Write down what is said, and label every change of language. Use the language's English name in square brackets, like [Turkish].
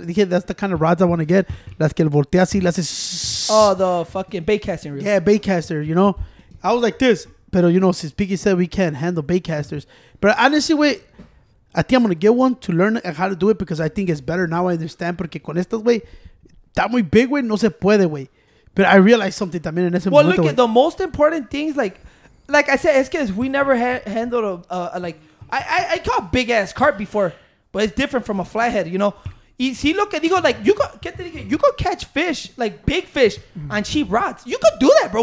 [English] Dije, that's the kind of rods I want to get. [Spanish] Las que el voltea así, las es... [English] Oh, the fucking baitcasting reel. Yeah, baitcaster, you know? I was like this. Pero, you know, since Piggy said we can't handle baitcasters. But honestly, wey... I think I'm going to get one to learn how to do it because I think it's better now I understand. [Spanish] Porque con estas, güey, está muy big, güey, no se puede, güey. [English] But I realized something [Spanish] también en ese momento. [English] Well, look at the most important things, like I said, [Spanish] es que [English] we never handled like, I caught big-ass carp before, but it's different from a flathead, you know? [Spanish] Y si lo que digo, [English] like, you could catch fish, like big fish, on cheap rods. You could do that, bro.